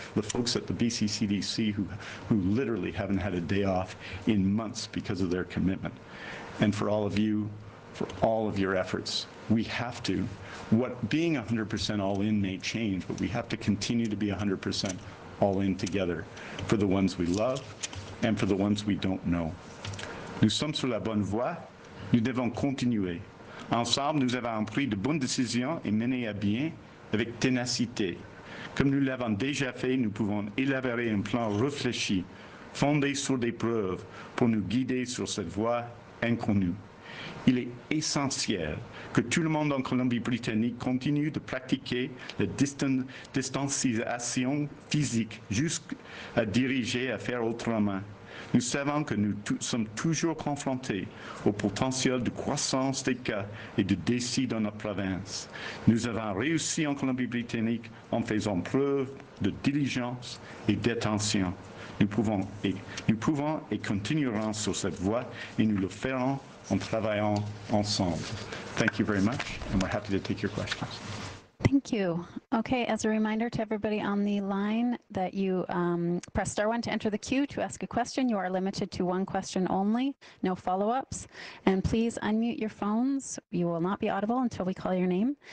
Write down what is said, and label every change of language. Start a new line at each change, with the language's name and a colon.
English: The folks at the BC CDC who literally haven't had a day off in months because of their commitment. And for all of you, for all of your efforts, we have to. What being 100% all in may change, but we have to continue to be 100% all in together for the ones we love and for the ones we don't know.
French: Nous sommes sur la bonne voie, nous devons continuer. Ensemble, nous avons pris de bonnes décisions et mené à bien avec ténacité. Comme nous l'avons déjà fait, nous pouvons élaborer un plan réfléchi, fondé sur des preuves, pour nous guider sur cette voie inconnue. Il est essentiel que tout le monde en Colombie-Britannique continue de pratiquer la distanciation physique jusqu'à diriger à faire autrement. Nous savons que nous sommes toujours confrontés au potentiel de croissance des cas et de décès dans notre province. Nous avons réussi en Colombie-Britannique en faisant preuve de diligence et d'attention. Nous pouvons et continuerons sur cette voie et nous le ferons en travaillant ensemble.
English: Thank you very much, and we're happy to take your questions. Thank you. Okay, as a reminder to everybody on the line that you press star one to enter the queue to ask a question. You are limited to one question only, no follow-ups. And please unmute your phones. You will not be audible until we call your name.